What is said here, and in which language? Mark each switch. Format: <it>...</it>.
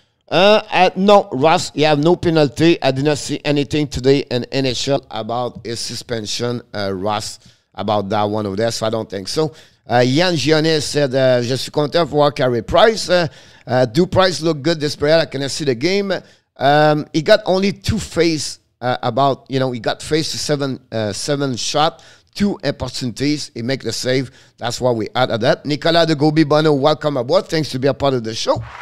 <en>No, Russ, you have no penalty. I did not see anything today in NHL about his suspension, Russ, about that one over there, so I don't think so.</en> <fr>Yann Gionnet said, je suis content pour Carey Price.</fr> <en>Do Price look good this period? I cannot see the game. He got only 2 face he got face to seven shots, 2 opportunities. He make the save. That's what we add to that. Nicolas de Gobi-Bono, welcome aboard. Thanks to be a part of the show.</en>